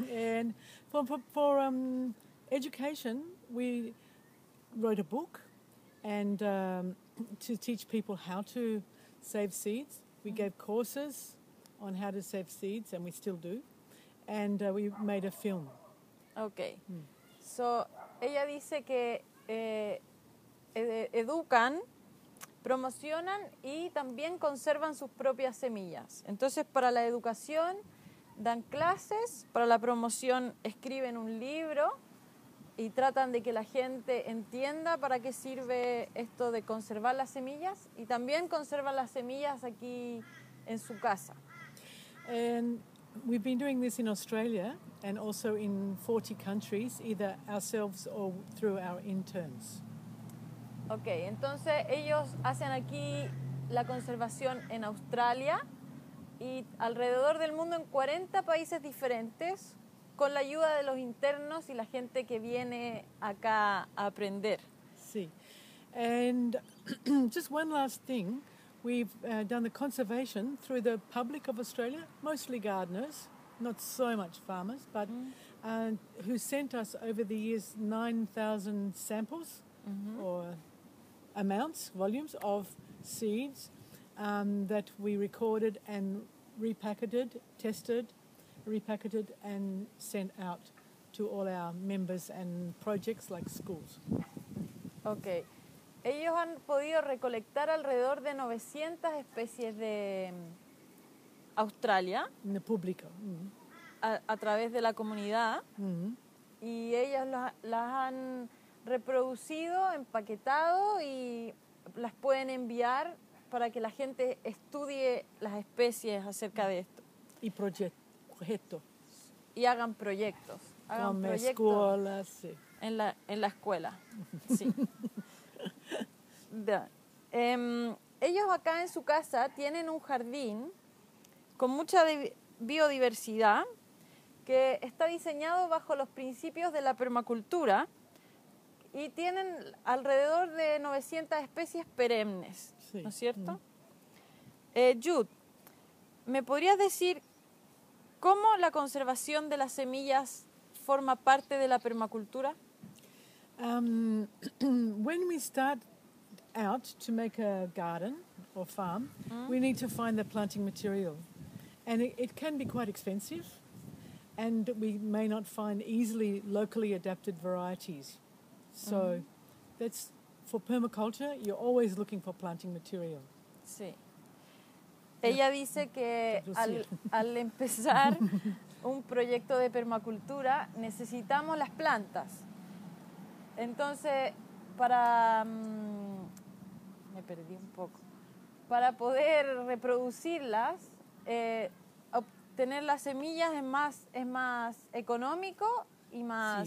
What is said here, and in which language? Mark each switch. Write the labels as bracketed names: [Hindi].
[English] And for education, we wrote a book and to teach people how to save seeds. We gave courses on how to save seeds, and we still do. And we made a film. Okay. [Spanish] So, ella dice que educan, promocionan y también conservan sus propias semillas. Entonces, para la educación dan clases, para la promoción escriben un libro y tratan de que la gente entienda para qué sirve esto de conservar las semillas y también conservan las semillas aquí en su casa. [English] And we've been doing this in Australia and also in 40 countries, either ourselves or through our interns. [Spanish] Okay, entonces ellos hacen aquí la conservación en Australia y alrededor del mundo en 40 países diferentes con la ayuda de los internos y la gente que viene acá a aprender. Sí. [English] And just one last thing, we've done the conservation through the public of Australia, mostly gardeners, not so much farmers, but who sent us over the years 9,000 samples or amounts, volumes of seeds that we recorded and repackaged, tested, repackaged and sent out to all our members and projects like schools. Okay. [Spanish] Ellos han podido recolectar alrededor de 900 especies de Australia. En el público. A través de la comunidad. Y ellas las han reproducido, empaquetado y las pueden enviar para que la gente estudie las especies acerca de esto. Y proyectos. Y hagan proyectos. Hagan proyectos. Con escuela, sí. En la escuela, sí. Ellos acá en su casa tienen un jardín con mucha biodiversidad que está diseñado bajo los principios de la permacultura. Y tienen alrededor de 900 especies perennes, sí, ¿no es cierto? Jude, ¿me podrías decir cómo la conservación de las semillas forma parte de la permacultura? [English] When we start out to make a garden or farm, we need to find the planting material. And it can be quite expensive, and we may not find easily locally adapted varieties. So that's for permaculture, you're always looking for planting material. [Spanish] Sí. Ella dice que al empezar un proyecto de permacultura necesitamos las plantas. Entonces, para me perdí un poco. Para poder reproducirlas, obtener las semillas es más económico y más